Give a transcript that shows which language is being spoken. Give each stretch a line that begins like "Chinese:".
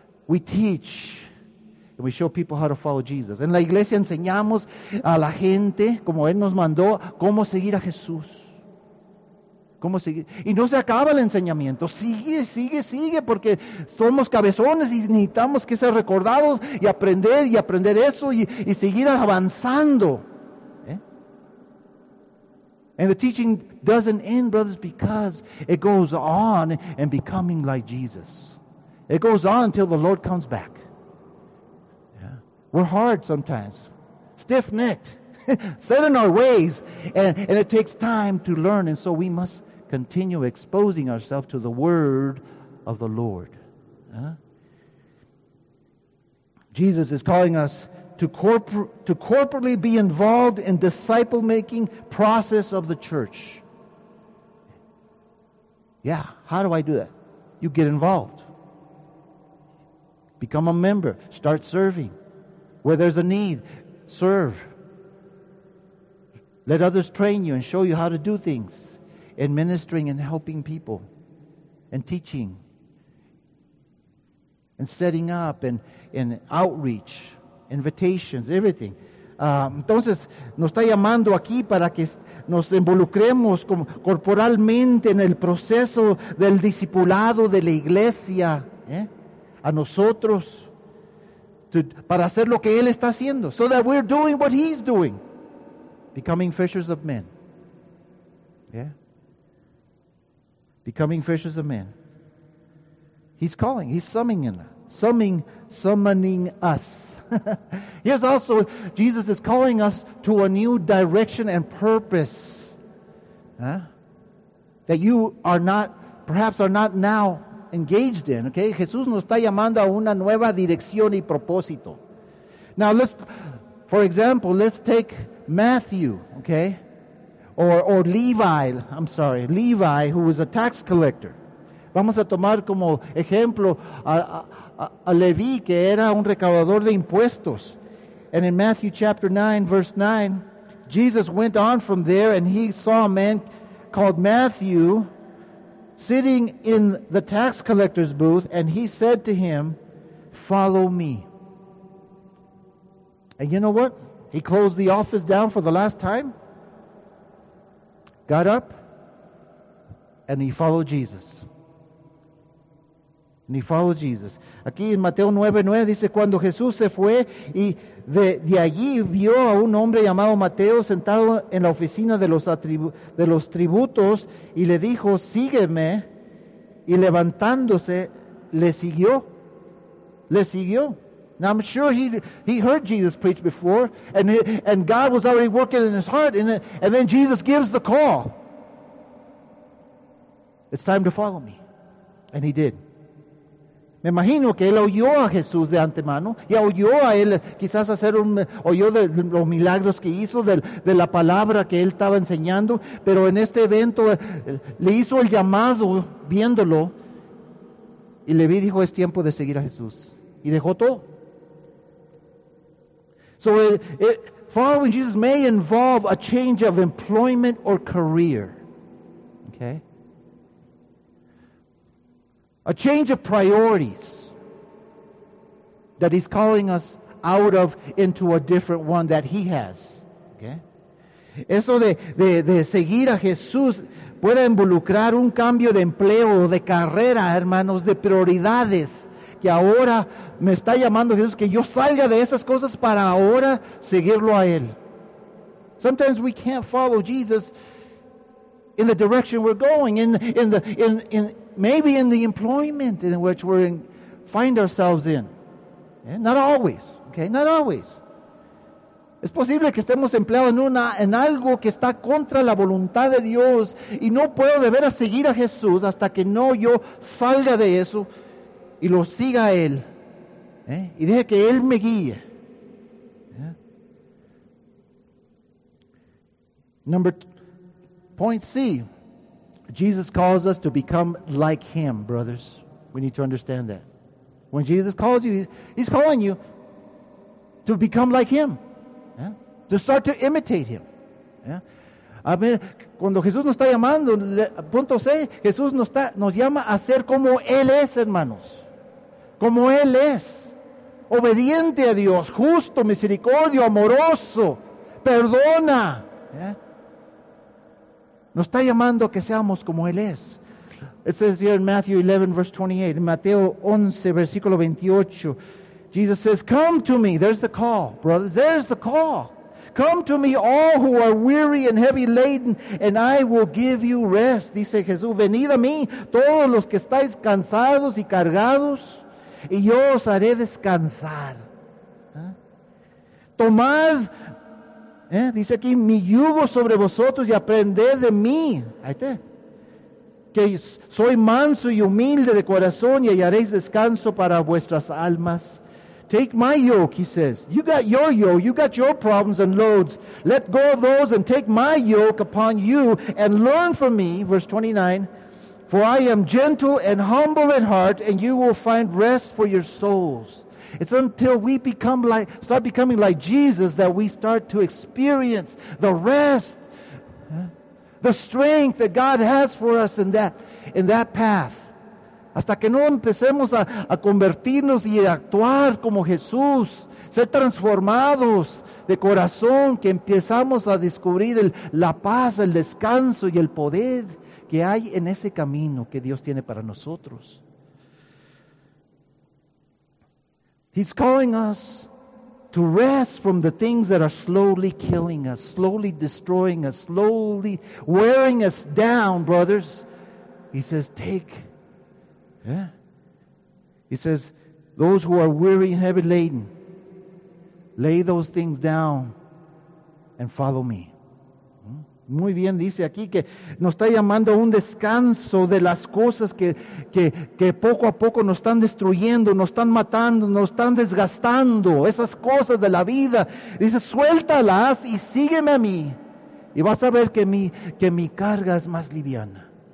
English: We teach and we show people how to follow Jesus.
Spanish: En la iglesia enseñamos a la gente, como Él nos mandó, cómo seguir a Jesús. ¿Cómo seguir? Y no se acaba el enseñamiento. Sigue, porque somos cabezones y necesitamos que ser recordados y aprender eso y seguir avanzando. ¿Eh?
English: And the teaching doesn't end, brothers, because it goes on and becoming like Jesus. It goes on until the Lord comes back. Yeah. We're hard sometimes. Stiff-necked. Set in our ways. And it takes time to learn, and so we must continue exposing ourselves to the word of the Lord. Jesus is calling us to corporately be involved in disciple-making process of the church. Yeah, how do I do that? You get involved. Become a member. Start serving. Where there's a need, serve. Let others train you and show you how to do things in ministering and helping people and teaching and setting up and outreach, invitations, everything.
Spanish: Entonces, nos está llamando aquí para que nos involucremos corporalmente en el proceso del discipulado de la iglesia, a nosotros, para hacer lo que Él está haciendo.
English: So that we're doing what He's doing. Becoming fishers of men. Yeah? Becoming fishers of men. He's calling. He's summoning us. Here's also, Jesus is calling us to a new direction and purpose. That you are not now engaged in. Okay?
Spanish: Jesús nos está llamando a una nueva dirección y propósito.
English: Now let's take Matthew, okay, or Levi, I'm sorry, Levi, who was a tax collector.
Spanish: Vamos a tomar como ejemplo a Levi, que era un recaudador de impuestos.
English: And in Matthew chapter 9, verse 9, Jesus went on from there and he saw a man called Matthew sitting in the tax collector's booth, and he said to him, "Follow me." And you know what? He closed the office down for the last time, got up, and he followed Jesus. And he followed Jesus.
Spanish: Aquí en Mateo 9:9 dice, cuando Jesús se fue, y de allí vio a un hombre llamado Mateo sentado en la oficina de los tributos, y le dijo, sígueme, y levantándose, le siguió.
English: Now I'm sure he heard Jesus preach before, and God was already working in his heart, and then Jesus gives the call. It's time to follow me. And he did.
Spanish: Me imagino que él oyó a Jesús de antemano, y oyó a él quizás hacer oyó de los milagros que hizo, de la palabra que él estaba enseñando, pero en este evento le hizo el llamado viéndolo, y le dijo, es tiempo de seguir a Jesús. Y dejó todo.
English: So following Jesus may involve a change of employment or career, okay? A change of priorities that He's calling us out of into a different one that He has, okay?
Spanish: Eso de seguir a Jesús puede involucrar un cambio de empleo o de carrera, hermanos, de prioridades. Que ahora me está llamando Jesús, que yo salga de esas cosas para ahora seguirlo a Él.
English: Sometimes we can't follow Jesus in the direction we're going, in maybe in the employment in which we find ourselves in. Yeah? Not always, okay? Not always.
Spanish: Es posible que estemos empleados en algo que está contra la voluntad de Dios, y no puedo de veras seguir a Jesús hasta que no yo salga de eso. Y lo siga a Él. Y deje que Él me guíe. Yeah.
English: Point C. Jesus calls us to become like Him, brothers. We need to understand that. When Jesus calls you, He's calling you to become like Him. Yeah. To start to imitate Him. Yeah.
Spanish: A ver, cuando Jesús nos está llamando, punto C, Jesús nos llama a ser como Él es, hermanos. Como Él es, obediente a Dios, justo, misericordioso, amoroso, perdona. ¿Eh? Nos está llamando a que seamos como Él es.
English: It says here in Matthew 11, verse 28,
Spanish: in Mateo 11, versículo 28,
English: Jesus says, come to me, there's the call, brothers, there's the call. Come to me, all who are weary and heavy laden, and I will give you rest,
Spanish: dice Jesús. Venid a mí, todos los que estáis cansados y cargados, y yo os haré descansar. Tomad, dice aquí, mi yugo sobre vosotros y aprended de mí. Ahí está. que soy manso y humilde de corazón y hallaréis descanso para vuestras almas.
English: Take my yoke, he says. You got your yoke, you got your problems and loads. Let go of those and take my yoke upon you and learn from me, verse 29, for I am gentle and humble in heart and you will find rest for your souls. It's until we become like, start becoming like Jesus that we start to experience the rest, the strength that God has for us in that path.
Spanish: Hasta que no empecemos a convertirnos y a actuar como Jesús, ser transformados de corazón, que empezamos a descubrir la paz, el descanso y el poder que hay en ese camino que Dios tiene para nosotros.
English: He's calling us to rest from the things that are slowly killing us, slowly destroying us, slowly wearing us down, brothers. He says, take. Yeah. He says, those who are weary and heavy laden, lay those things down and follow me.
Spanish: Muy bien, dice aquí que nos está llamando a un descanso de las cosas que poco a poco nos están destruyendo, nos están matando, nos están desgastando, esas cosas de la vida. Dice, suéltalas y sígueme a mí. Y vas a ver que mi carga es más liviana.